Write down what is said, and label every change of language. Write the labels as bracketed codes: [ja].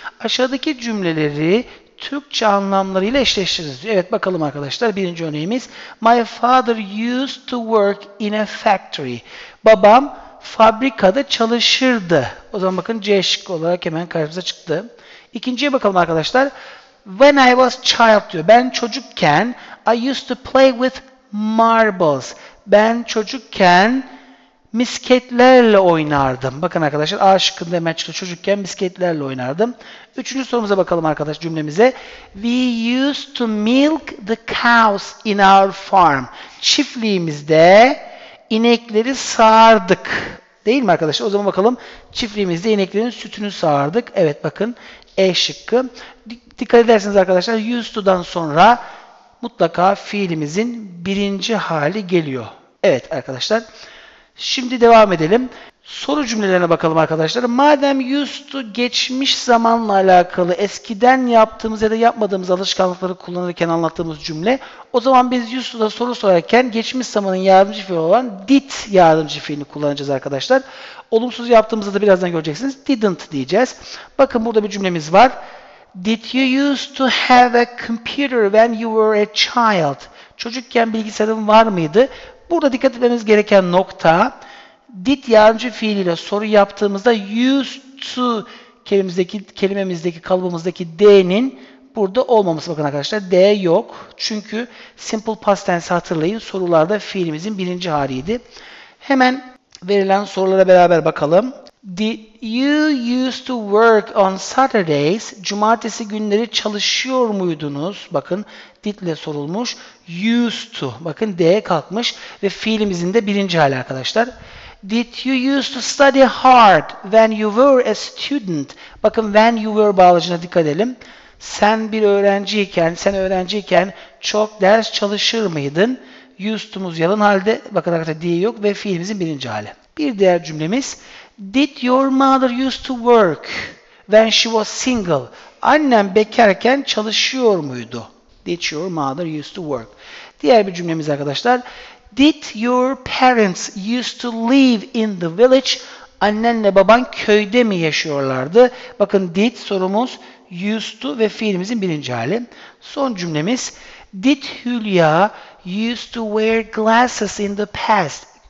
[tr] Aşağıdaki cümleleri Türkçe anlamlarıyla eşleştiririz. Evet bakalım arkadaşlar. Birinci örneğimiz. [en] My father used to work in a factory. [tr] Babam fabrikada çalışırdı. O zaman bakın C şıkkı olarak hemen karşımıza çıktı. İkinciye bakalım arkadaşlar. [en] When I was child [tr] diyor. Ben çocukken [en] I used to play with marbles. [tr] Ben çocukken misketlerle oynardım. Bakın arkadaşlar A şıkkında hemen çıktı. Çocukken misketlerle oynardım. Üçüncü sorumuza bakalım arkadaş cümlemize. [en] We used to milk the cows in our farm. [tr] Çiftliğimizde İnekleri sağardık. Değil mi arkadaşlar? O zaman bakalım. Çiftliğimizde ineklerin sütünü sağardık. Evet bakın. E şıkkı. Dikkat ederseniz arkadaşlar used to'dan sonra mutlaka fiilimizin birinci hali geliyor. Evet arkadaşlar. Şimdi devam edelim. Soru cümlelerine bakalım arkadaşlar. Madem used to geçmiş zamanla alakalı eskiden yaptığımız ya da yapmadığımız alışkanlıkları kullanırken anlattığımız cümle, o zaman biz used to'da soru sorarken geçmiş zamanın yardımcı fiili olan did yardımcı fiilini kullanacağız arkadaşlar. Olumsuz yaptığımızı da birazdan göreceksiniz. Didn't diyeceğiz. Bakın burada bir cümlemiz var. [en] Did you used to have a computer when you were a child? [tr] Çocukken bilgisayarın var mıydı? Burada dikkat etmemiz gereken nokta, did yardımcı fiiliyle soru yaptığımızda used to kelimemizdeki kalıbımızdaki d'nin burada olmaması. Bakın arkadaşlar, d yok. Çünkü simple past tense hatırlayın, sorularda fiilimizin birinci haliydi. Hemen verilen sorulara beraber bakalım. [en] Did you used to work on Saturdays? [tr] Cumartesi günleri çalışıyor muydunuz? Bakın, did ile sorulmuş. Used to. Bakın, d kalkmış ve fiilimizin de birinci hali arkadaşlar. [en] Did you used to study hard when you were a student? [tr] Bakın, [en] when you were [tr] bağlacına dikkat edelim. Sen bir öğrenciyken, sen öğrenciyken çok ders çalışır mıydın? Used to'muz yalın halde. Bakın arkadaşlar, diye yok ve fiilimizin birinci hali. Bir diğer cümlemiz. [en] Did your mother used to work when she was single? [tr] Annem bekarken çalışıyor muydu? [en] Did your mother used to work? [tr] Diğer bir cümlemiz arkadaşlar. [en] Did your parents used to live in the village? [tr] Annenle baban köyde mi yaşıyorlardı? Bakın, did sorumuz, used to ve fiilimizin birinci hali. Son cümlemiz. [en] Did Hülya used to wear glasses in the past?